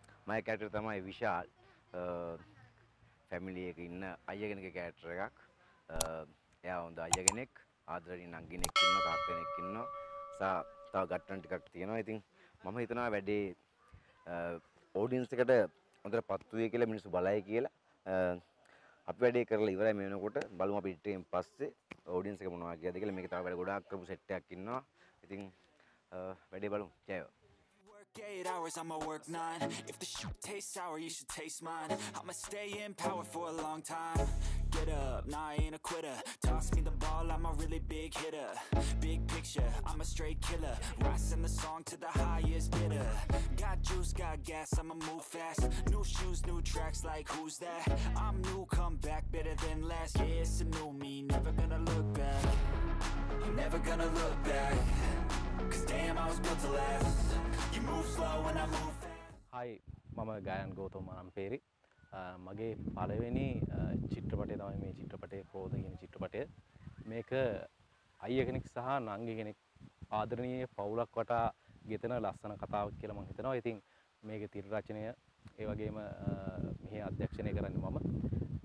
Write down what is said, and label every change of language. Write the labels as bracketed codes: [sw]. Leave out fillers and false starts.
[si] මගේ කැරක්ටර් තමයි විශාල් ෆැමිලි එකේ ඉන්න අයිය කෙනෙක් කැරක්ටර් එකක් එයා හොඳ අයිය කෙනෙක් ආදරණීය නංගිනෙක් ඉන්න තාත්ත කෙනෙක් ඉන්නවා සා තව ගැටන් ටිකක් තියෙනවා ඉතින් මම හිතනවා වැඩේ ඔඩියන්ස් එකට හොඳටපත්තු වෙයි කියලා මිනිස්සු බලයි කියලා අපි වැඩේ කරලා ඉවරයි මේ වෙනකොට බලමු අපි ඉන්ටර්වයුවෙන් පස්සේ ඔඩියන්ස් එක මොනවා කියද කියලා මේක තව වැඩ ගොඩාක් කරපු සෙට් එකක් ඉන්නවා ඉතින් වැඩේ බලමු ජයවා [en] 8 hours, I'ma work 9. If the shit tastes sour, you should taste mine. I'ma stay in power for a long time. get up. Nah, I ain't a quitter. Toss me the ball, I'm a really big hitter. Big picture, I'm a straight killer. Rising the song to the highest bidder. Got juice, got gas, I'ma move fast. New shoes, new tracks, like who's that? I'm new, come back, better than last. Yeah, it's a new me, never gonna look back. I'm never gonna look back. Cause damn, I was built to last. You move slow and I move fast. [si] Hi, Mama Gayan Gothama Manamperi. මගේ පළවෙනි චිත්‍රපටය තමයි මේ චිත්‍රපටයේ ක්‍රෝධ කියන චිත්‍රපටය. මේක අයිය කෙනෙක් සහ නංගි කෙනෙක් ආදරණීය පවුලක් වටා ගෙතන ලස්සන කතාවක් කියලා මම හිතනවා. ඉතින් මේකේ තිර රචනය ඒ වගේම මෙහි අධ්‍යක්ෂණය කරන්නේ මම.